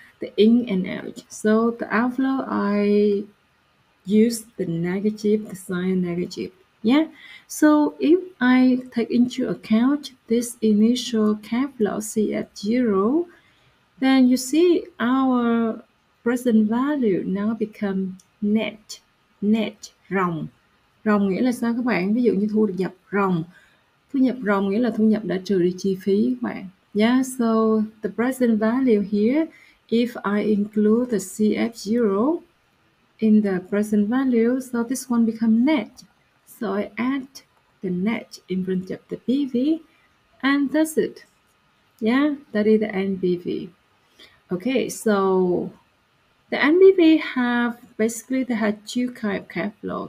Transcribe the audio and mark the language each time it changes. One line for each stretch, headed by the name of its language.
English: The in and out. So the outflow, I use the negative, the sign negative. Yeah, so if I take into account this initial cash flow CF0, then you see our present value now become net, net ròng.
Vietnamese: Ròng nghĩa là sao các bạn? Ví dụ như thu nhập ròng. Thu nhập ròng nghĩa là thu nhập đã trừ đi chi phí các bạn.
English: Yeah, so the present value here, if I include the CF0 in the present value, so this one become net. So I add the net in front of the BV, and that's it. Yeah, that is the NPV. Okay, so the NPV have basically they have two kind of cash flow.